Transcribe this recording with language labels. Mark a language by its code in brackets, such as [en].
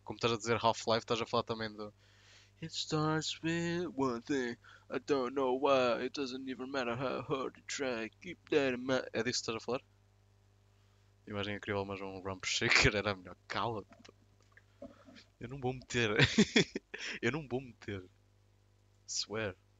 [pt] Como estás a dizer Half-Life, estás a falar também do. [en] It starts with one thing. I don't know why. It doesn't even matter how hard you try. Keep that in mind. [pt] É disso que estás a falar? Imagem incrível, mas um Rump Shaker era melhor. Cala-te. Eu não vou meter. Eu não vou meter. Swear.